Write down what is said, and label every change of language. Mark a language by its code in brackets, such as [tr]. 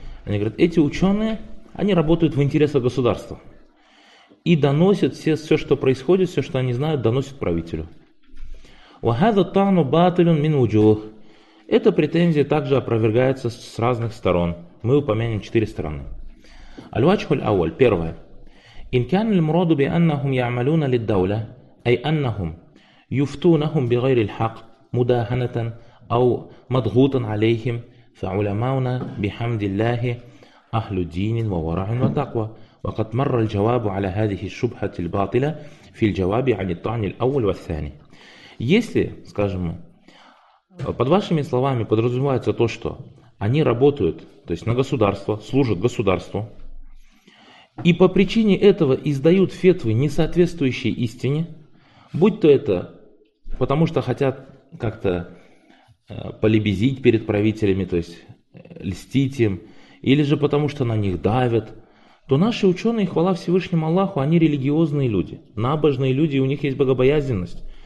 [ru] Они говорят, эти ученые, они работают в интересах государства и доносят все, что происходит, все, что они знают, доносят правителю. [ar] Ва хаза ат-та'ну батилун мин вуджух. [ru] Эта претензия также опровергается с разных сторон. Мы упомянем четыре стороны. [ar] Аль-вачху аль-ауаль, [ru] первое. [ar] إن كان المراد بأنهم يعملون للدولة أي أنهم يفتونهم بغير الحق مداهنة أو مضغوطا عليهم فعلماؤنا بحمد الله أهل دين وورع وتقوى وقد مر الجواب على هذه الشبهة الباطلة في الجواب عن الطعن الأول والثاني. [ru] Если, скажем, под вашими словами подразумевается то, что они работают, то есть на государство, служат государству, и по причине этого издают фетвы, не соответствующие истине, будь то это потому, что хотят как-то полебезить перед правителями, то есть льстить им, или же потому, что на них давят, то наши ученые, хвала Всевышнему Аллаху, они религиозные люди, набожные люди, и у них есть богобоязненность.